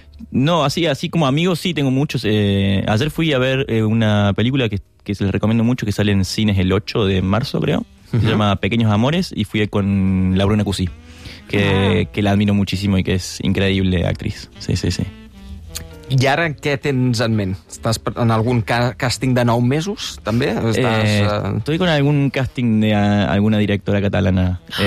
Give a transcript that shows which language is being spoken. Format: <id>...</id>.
<es>No, así como amigos sí tengo muchos. Ayer fui a ver una película que se les recomiendo mucho, que sale en cines el 8 de marzo, creo. Uh-huh. Se llama Pequeños Amores, y fui con la Bruna Cusí, que la admiro muchísimo y que es increíble actriz. Sí.</es> <ca>I ara què tens en ment? Estàs en algun càsting de 9 mesos, també?</ca> <es>Estoy con algún casting de alguna directora catalana.</es>